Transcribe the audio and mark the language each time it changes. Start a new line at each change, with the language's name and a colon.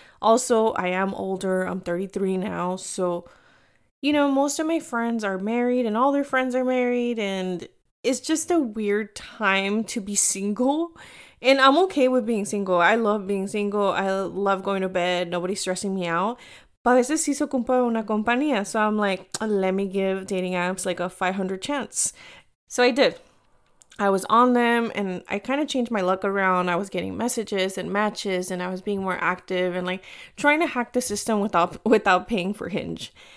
English: Also, I am older. I'm 33 now. So, you know, most of my friends are married and all their friends are married. And it's just a weird time to be single. And I'm okay with being single. I love being single. I love going to bed. Nobody's stressing me out.
Spanish: But a veces sí se ocupa una compañía.
English: So I'm like, let me give dating apps like a 500 chance. So I did. I was on them and I kind of changed my luck around. I was getting messages and matches and I was being more active and like trying to hack the system without paying for Hinge.